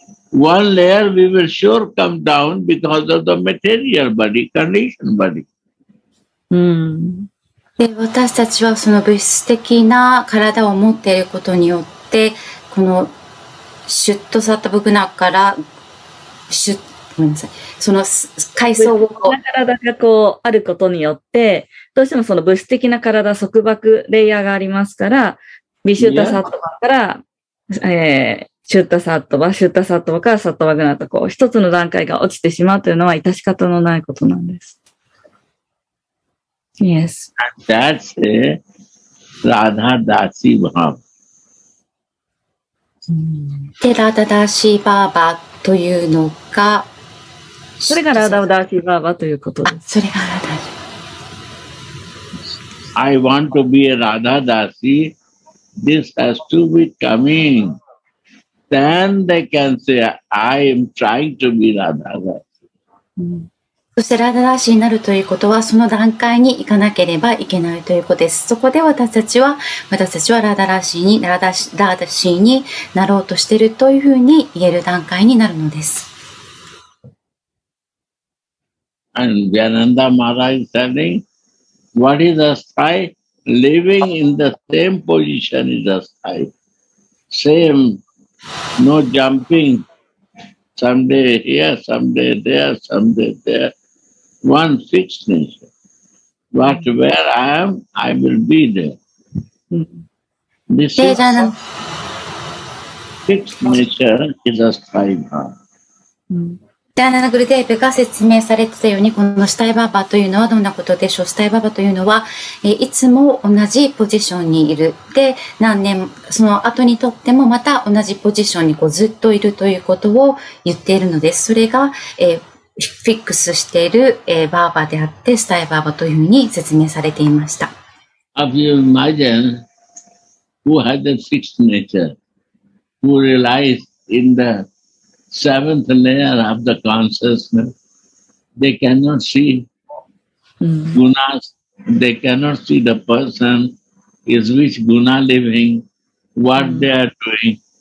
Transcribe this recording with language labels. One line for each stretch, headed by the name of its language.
English: One layer we will sure come down because of the material body, conditioned body.
Japanese: で、私たちはその物質的な体を持っていることによって、このシュッドサトブグナからシュッその階層を物質的な体がこうあることによってどうしてもその物質的な体束縛レイヤーがありますからビシュッタサットバから、シュッタサットバシュッタサットバからサットバグナとこう一つの段階が落ちてしまうというのは致し方のないことなんです。
English: Yes. That's a Radha Dasi Baba.
Japanese: テラダダシバーバというのがそれがラダダーシーバーバーということです。あ、それがラダ
English: ダーシー。I want to be a Radha Dasi. This has to be coming. Then they can say, I am trying to be Radha Dasi. そしてラダダーシーになるということは、その段階に行かなければいけないということです。そこで私たちは、ラダダーシーに、ラダーシーになろうとしているというふうに言える段階になるのです。 And Jananda Maharaj is telling, what is asthai? Living in the same position is asthai. Same, no jumping. Someday here, someday there, someday there. One fixed nature. But where I am, I will be there. This is fixed nature is asthai bhava.
Japanese: ダーナナグルデーブが説明されてたようにこのシュタイバーバーというのはどんなことでしょう。シュタイバーバーというのはいつも同じポジションにいる。で、何年その後にとってもまた同じポジションにこうずっといるということを言っているのです。それが、フィックスしている、バーバーであってシュタイバーバーというふうに説明されていました。
English: Have you imagined who had a fixed nature who relies in the seventh layer of the consciousness, they cannot see gunas, they cannot see the person, is which guna living, what they are doing.